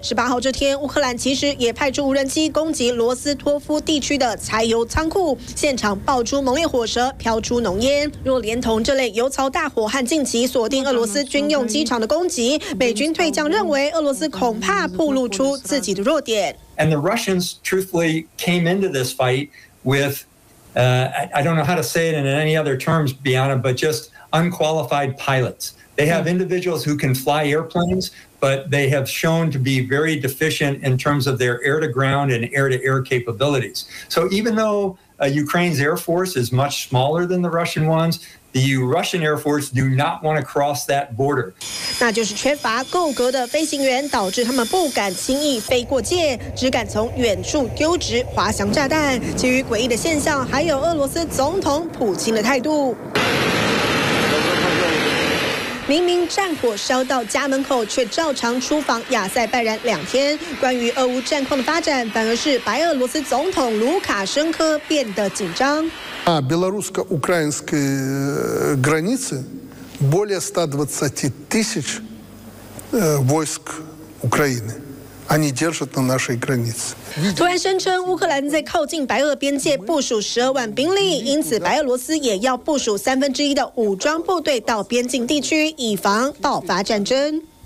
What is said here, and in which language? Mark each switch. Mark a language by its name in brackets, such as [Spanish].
[Chinese] 18号这天，乌克兰其实也派出无人机攻击罗斯托夫地区的柴油仓库，现场爆出猛烈火舌，飘出浓烟。若连同这类油槽大火和近期锁定俄罗斯军用机场的攻击，美军退将认为俄罗斯恐怕暴露出自己的弱点。 [English] And the Russians truthfully came into this fight with, I don't know how to say it in any other terms, Biana, but justUnqualified pilots. They have individuals who can fly airplanes, but they have shown to be very deficient in terms of their air to ground and air to air capabilities. So even though Ukraine's air force is much smaller than the Russian ones, the Russian air force do not want to cross that border. [Chinese] 那就是缺乏够格的飞行员，导致他们不敢轻易飞过界，只敢从远处丢掷滑翔炸弹。其余诡异的现象还有俄罗斯总统普京的态度。明明战火烧到家门口，却照常出访亚塞拜然两天。关于俄乌战况的发展，反而是白俄罗斯总统卢卡申科变得紧张。 [Russian] А белорусско-украинской границы более 120 тысяч войск Украины. Они держат на нашей границе. [Chinese] 突然声称乌克兰在靠近白俄边界部署120,000兵力，因此白俄罗斯也要部署1/3的武装部队到边境地区，以防爆发战争。